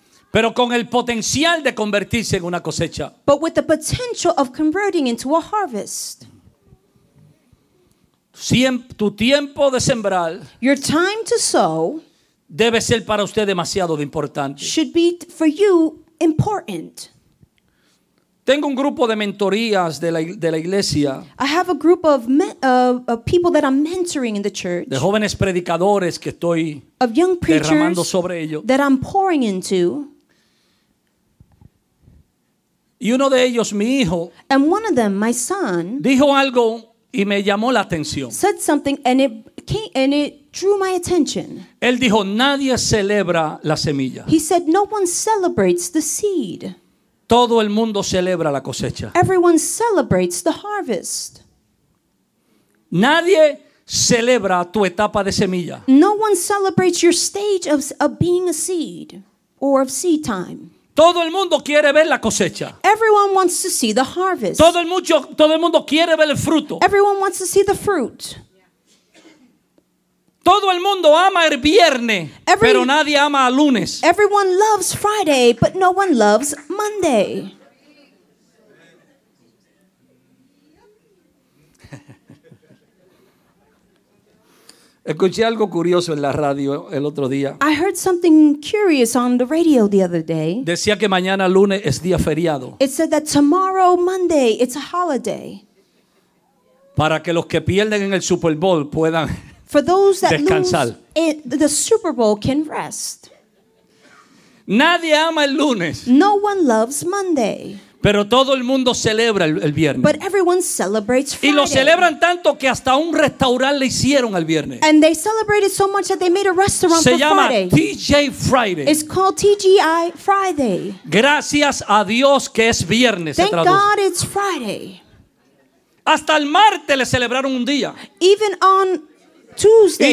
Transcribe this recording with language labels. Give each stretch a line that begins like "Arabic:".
Spanish: Pero con el potencial de convertirse en una cosecha.
English: But with the potential of converting into a harvest.
Spanish: Tu tiempo de sembrar.
English: Your time to sow.
Spanish: Debe ser para usted demasiado importante.
English: Should be for you important.
Spanish: Tengo un grupo de mentorías de la iglesia.
English: I have a group of people that I'm mentoring in the church.
Spanish: De jóvenes predicadores que estoy derramando sobre ellos.
English: That I'm pouring into.
Spanish: Y uno de ellos, mi hijo,
English: and one of them, my son,
Spanish: dijo algo y me llamó la atención.
English: Said something and it came and it drew my attention.
Spanish: Él dijo, nadie celebra la semilla.
English: He said, no one celebrates the seed.
Spanish: Todo el mundo celebra la cosecha.
English: Everyone celebrates the harvest.
Spanish: Nadie celebra tu etapa de semilla.
English: No one celebrates your stage of being a seed or of seed time.
Spanish: Todo el mundo quiere ver la cosecha.
English: Everyone wants to see the harvest.
Spanish: Todo el mundo quiere ver el fruto.
English: Everyone wants to see the fruit.
Spanish: Todo el mundo ama el viernes, pero nadie ama el lunes.
English: Everyone loves Friday, but no one loves Monday.
Spanish: Escuché algo curioso en la radio el otro día.
English: I heard something curious on the radio the other day.
Spanish: Decía que mañana lunes es día feriado.
English: It said that tomorrow, Monday, it's a holiday.
Spanish: Para que los que pierden en el Super Bowl puedan
English: for those that
Spanish: descansar.
English: Lose it, the Super Bowl can rest.
Spanish: Nadie ama el lunes.
English: No one loves Monday.
Spanish: Pero todo el mundo celebra el viernes.
English: But everyone celebrates Friday.
Spanish: Y lo celebran tanto que hasta un restaurante le hicieron el viernes.
English: And they celebrated so much that they made a restaurant
Spanish: se
English: for
Spanish: llama
English: Friday. TJ Friday. It's called TGI Friday.
Spanish: Gracias a Dios que es viernes.
English: Thank God it's Friday.
Spanish: Hasta el martes le celebraron un día.
English: Even on Tuesday